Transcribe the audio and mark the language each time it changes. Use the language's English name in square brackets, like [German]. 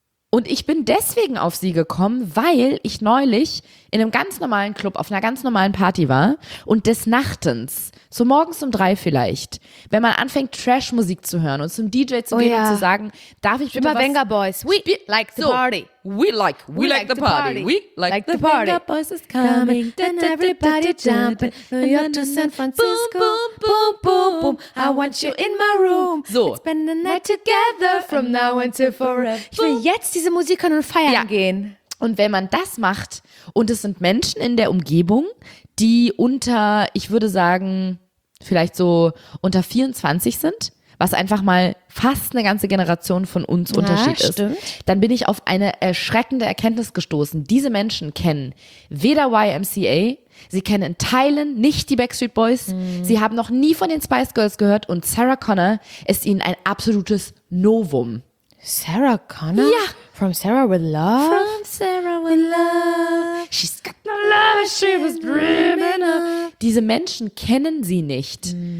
[German] Und ich bin deswegen auf sie gekommen, weil ich neulich in einem ganz normalen Club auf einer ganz normalen Party war und des Nachtens, so morgens um 3 vielleicht, wenn man anfängt Trash-Musik zu hören und zum DJ zu gehen und zu sagen, darf ich bitte was... Immer [English] Venga Boys, we like the party. We like the party. We like the party. Venga Boys is coming, then everybody jumping. New York to San Francisco, boom, boom, boom, boom, boom. I want you in my room. So. Spend the night together from now until forever. [German] Ich will jetzt diese Musik hören und feiern gehen. Und wenn man das macht und es sind Menschen in der Umgebung, die unter, ich würde sagen, vielleicht so unter 24 sind, was einfach mal fast eine ganze Generation von uns Unterschied ist, dann bin ich auf eine erschreckende Erkenntnis gestoßen. Diese Menschen kennen weder YMCA, sie kennen in Teilen nicht die Backstreet Boys, sie haben noch nie von den Spice Girls gehört und Sarah Connor ist ihnen ein absolutes Novum. Sarah Connor? Ja. [English] From Sarah with Love? From Sarah with Love. She's got no love and she was dreaming of. [German] Diese Menschen kennen sie nicht.